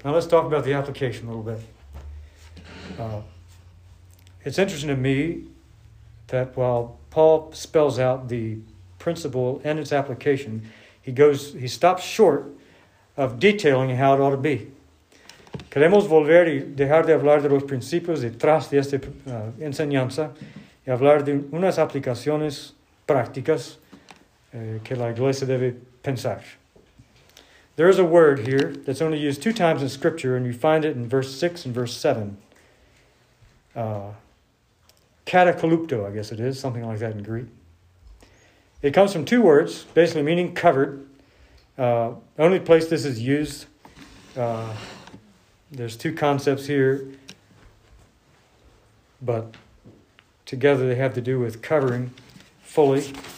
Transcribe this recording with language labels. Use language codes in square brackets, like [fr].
[en] Now let's talk about the application a little bit. It's interesting to me that while Paul spells out the principle and its application, he stops short of detailing how it ought to be. [es] Queremos volver y dejar de hablar de los principios detrás de esta enseñanza y hablar de unas aplicaciones prácticas que la iglesia debe pensar. [en] There is a word here that's only used two times in Scripture, and you find it in verse 6 and verse 7. Katakalupto, I guess it is, something like that in Greek. It comes from two words, basically meaning covered. The only place this is used, there's two concepts here, but together they have to do with covering fully.